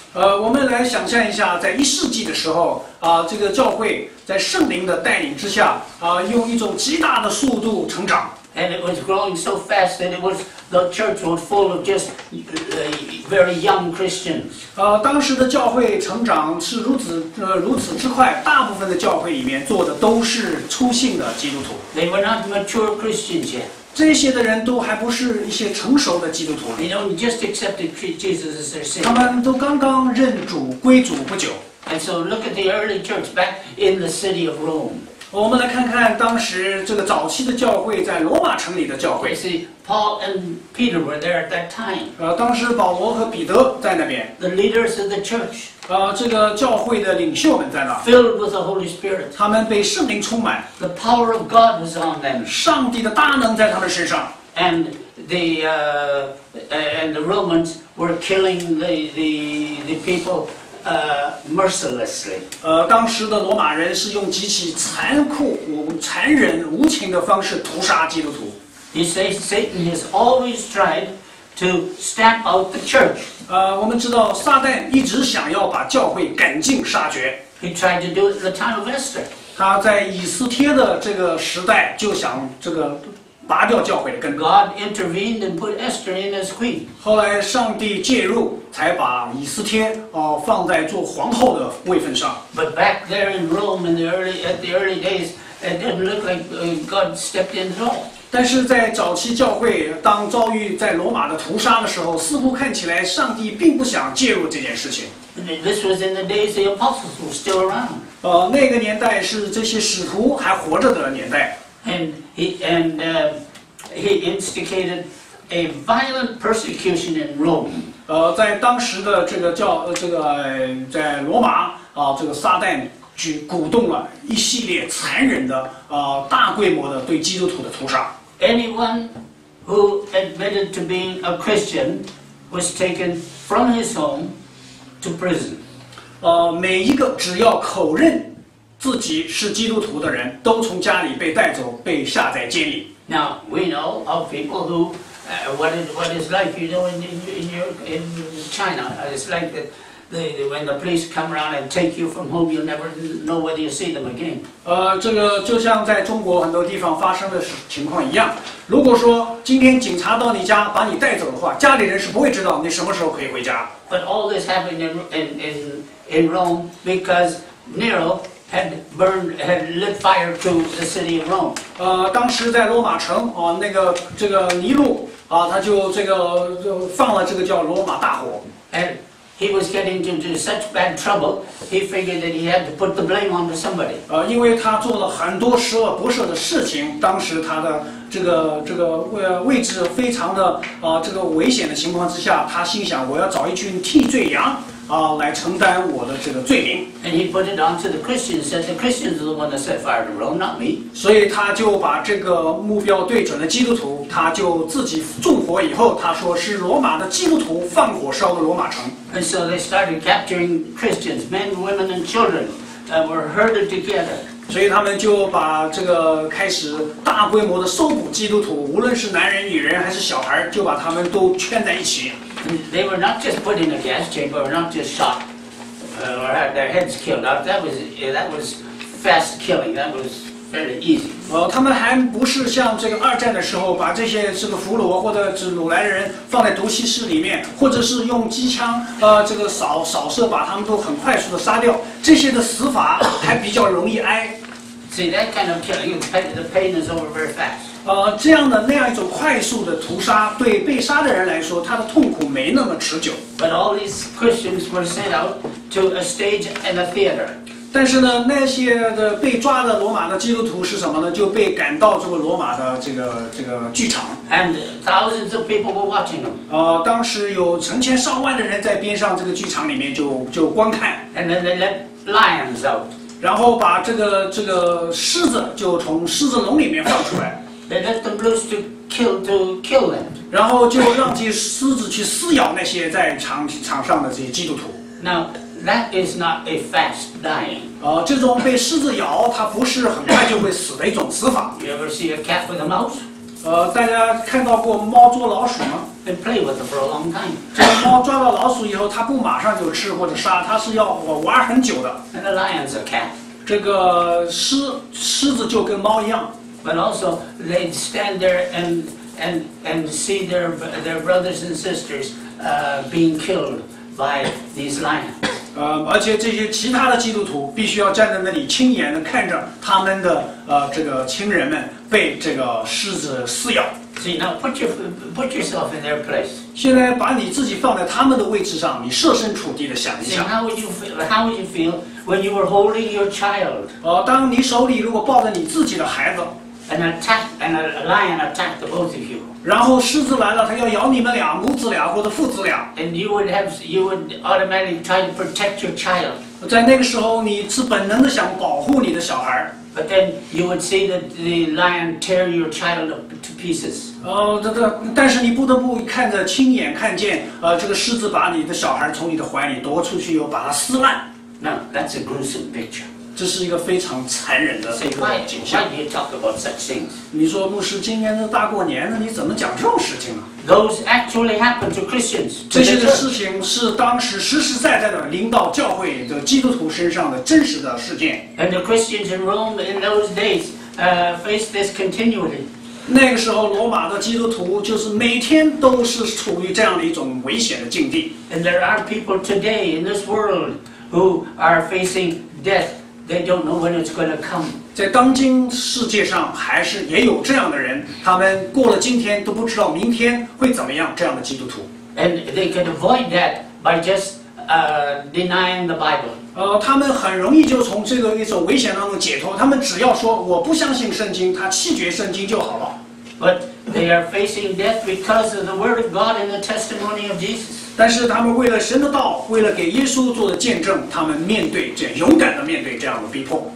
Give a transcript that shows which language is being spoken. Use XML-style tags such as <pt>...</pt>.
<zh>我们来想象一下，在一世纪的时候，这个教会在圣灵的带领之下，用一种极大的速度成长。</zh> <en>And it was growing so fast that the church was full of just very young Christians.</en> <zh>当时的教会成长是如此之快，大部分的教会里面坐的都是初信的基督徒。</zh> <en>They were not mature Christians yet.</en> <zh>这些的人都还不是一些成熟的基督徒。</zh> <en>They only just accepted Jesus as their Savior.</en> <zh>他们都刚刚认主归主不久。</zh> <en>And so look at the early church back in the city of Rome.</en> <zh>我们来看看当时这个早期的教会在罗马城里的教会。</zh> <en>See, Paul and Peter were there at that time.</en> <zh>当时保罗和彼得在那边。</zh> <en>The leaders of the church.</en> <zh>这个教会的领袖们在那。</zh> <en>Filled with the Holy Spirit.</en> <zh>他们被圣灵充满。</zh> <en>The power of God was on them.</en> <zh>上帝的大能在他们身上。</zh> <en>And the Romans were killing the people. Mercilessly.</en> <zh>当时的罗马人是用极其残忍无情的方式屠杀基督徒。</zh> <en>He says Satan has always tried to stamp out the church.</en> <zh>我们知道撒旦一直想要把教会赶尽杀绝。</zh> <en>He tried to do it in the time of Esther.</en> <zh>他在以斯帖的这个时代就想这个拔掉教会的根。</zh> <en>God intervened and put Esther in as queen.</en> <zh>后来上帝介入，才把以斯帖放在做皇后的位分上。</zh> <en>But back there in Rome in the early days, it didn't look like God stepped in at all.</en> <zh>但是在早期教会当遭遇在罗马的屠杀的时候，似乎看起来上帝并不想介入这件事情。</zh> <en>This was in the days the apostles were still around.</en> <zh>那个年代是这些使徒还活着的年代。</zh> <en>And he instigated a violent persecution in Rome.</en> <zh>在当时的这个叫这个在罗马这个撒旦鼓动了一系列残忍的大规模的对基督徒的屠杀。</zh> <en>Anyone who admitted to being a Christian was taken from his home to prison.</en> <zh>每一个只要口认。自己是基督徒的人都从家里被带走被下在监里。</zh> <en>Now, we know of people who what is like, you know, in China, it's like that. When the police come around and take you from home, you'll never know whether you see them again.</en> <zh>这个就像在中国很多地方发生的情况一样。如果说今天警察到你家把你带走的话，家里人是不会知道你什么时候可以回家。</zh> <en>But all this happened in Rome because Nero had lit fire to the city of Rome.</en> <zh>当时在罗马城啊，那个这个尼禄啊，他就放了这个叫罗马大火。</zh> <en>He was getting into such bad trouble, he figured that he had to put the blame onto somebody.</en> <zh>因为他做了很多十恶不赦的事情，当时他的这个位置非常的这个危险的情况之下，他心想我要找一群替罪羊来承担我的这个罪名。</zh> <en>And he put it onto the Christians, said the Christians are the one that set fire to Rome, not me.</en> <zh>所以他就把这个目标对准了基督徒，他就自己纵火以后，他说是罗马的基督徒放火烧的罗马城。</zh> <en>And so they started capturing Christians, men, women, and children, that were herded together.</en> <zh>所以他们就把这个开始大规模的搜捕基督徒，无论是男人、女人还是小孩，就把他们都圈在一起。</zh> <en>They were not just put in a gas chamber, or not just shot, or had their heads killed off. That was fast killing. That was very easy.</en> <zh>他们还不是像这个二战的时候，把这些这个俘虏或者是掳来的人放在毒气室里面，或者是用机枪这个扫射，把他们都很快速的杀掉。这些的死法还比较容易挨。</zh> <en>See that kind of killing, the pain is over very fast.</en> <zh>这样的那样一种快速的屠杀，对被杀的人来说，他的痛苦没那么持久。</zh> <en>But all these Christians were sent out to a stage and a theater.</en> <zh>但是呢，那些的被抓的罗马的基督徒是什么呢？就被赶到这个罗马的这个剧场。</zh> <en>And thousands of people were watching them.</en> <zh>当时有成千上万的人在边上这个剧场里面就观看。</zh> <en>And then they let lions out.</en> <zh>然后把这个狮子就从狮子笼里面放出来。</zh> <en>They let them loose to kill them.</en> <zh>然后就让这狮子去撕咬那些在场上的这些基督徒。</zh> <en>Now that is not a fast dying.</en> <zh>这种被狮子咬，它不是很快就会死的一种死法。</zh> <en>You ever see a cat with a mouse?</en> <zh>大家看到过猫捉老鼠吗</zh> <en>？They play with it for a long time.</en> <zh>这个猫抓到老鼠以后，它不马上就吃或者杀，它是要玩很久的。</zh> <en>And the lion's a cat.</en> <zh>这个狮子就跟猫一样。</zh> <en>But also they'd stand there and see their brothers and sisters being killed by these lions.</en> <zh>而且这些其他的基督徒必须要站在那里亲眼的看着他们的这个亲人们被这个狮子撕咬。</zh> <en>See, now put yourself in their place.</en> <zh>现在把你自己放在他们的位置上，你设身处地的想一下。</zh> <en>See, how would you feel when you were holding your child?</en> <zh>当你手里如果抱着你自己的孩子。</zh> <en>And a lion attacked the both of you.</en> <zh>然后狮子来了，它要咬你们俩母子俩或者父子俩。</zh> <en>And you would automatically try to protect your child.</en> <zh>在那个时候，你是本能的想保护你的小孩。</zh> <en>But then you would see the lion tear your child to pieces.</en> <zh>但是你不得不看着亲眼看见，这个狮子把你的小孩从你的怀里夺出去，又把它撕烂。</zh> <en>No, that's a gruesome picture.</en> <zh>这是一个非常残忍的一个景象。</zh> <en>Why do you talk about such things?</en> <zh>你说牧师，今年的大过年呢，你怎么讲这种事情呢？</zh> <en>Those actually happened to Christians.</en> <zh>这些的事情是当时实实在在的临到教会的基督徒身上的真实的事件。</zh> <en>And the Christians in Rome in those days, faced this continually.</en> <zh>那个时候，罗马的基督徒就是每天都是处于这样的一种危险的境地。</zh> <en>And there are people today in this world who are facing death. They don't know when it's going to come.</en> <zh>在当今世界上，还是也有这样的人，他们过了今天都不知道明天会怎么样。这样的基督徒。</zh> <en>And they can avoid that by just denying the Bible.</en> <zh>他们很容易就从这个一种危险当中解脱。他们只要说我不相信圣经，他弃绝圣经就好了。</zh> <en>But they are facing death because of the word of God and the testimony of Jesus.</en> <zh>但是他们为了神的道，为了给耶稣做的见证，他们面对这勇敢的面对这样的逼迫。</zh>